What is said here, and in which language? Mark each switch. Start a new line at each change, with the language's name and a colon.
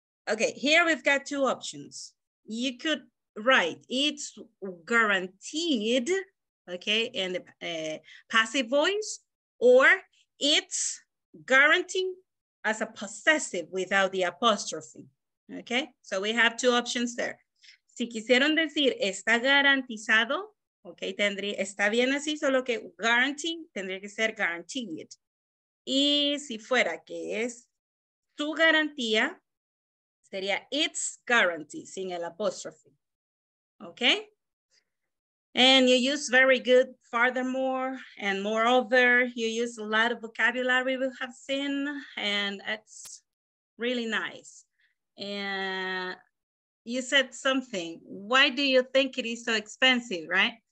English: Okay, here we've got two options. You could write, it's guaranteed, okay, in the passive voice, or it's guaranteed as a possessive without the apostrophe. Okay, so we have two options there.
Spanish: Si quisieron decir está garantizado, okay, tendría, está bien así, solo que guarantee, tendría que ser guaranteed. Y si fuera que es tu garantía, sería its guarantee, sin el apostrophe.
English: Okay? And you use very good, furthermore, and moreover, you use a lot of vocabulary we have seen, and it's really nice. And you said something, why do you think it is so expensive, right?